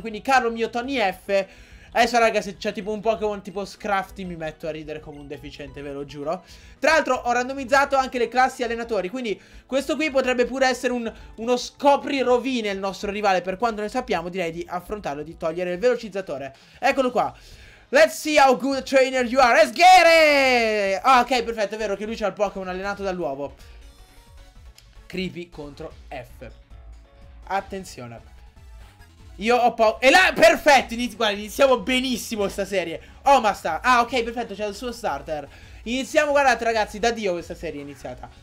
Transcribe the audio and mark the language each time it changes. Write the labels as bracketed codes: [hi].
[it] Quindi caro mio Tony F, adesso raga, se c'è tipo un Pokémon tipo Scrafty mi metto a ridere come un deficiente, ve lo giuro. Tra l'altro ho randomizzato anche le classi allenatori, quindi questo qui potrebbe pure essere uno scopri rovine il nostro rivale. Per quanto ne sappiamo, direi di affrontarlo, di togliere il velocizzatore. Eccolo qua. [en] Let's see how good a trainer you are. Let's get it! [it] Ah, ok, perfetto, è vero che lui c'ha il Pokémon allenato dall'uovo. Creepy contro F. Attenzione. Io ho paura. E là, perfetto, guarda, iniziamo benissimo sta serie. Oh, ma sta. Ah, ok, perfetto, c'è il suo starter. Iniziamo, guardate, ragazzi, da Dio questa serie è iniziata.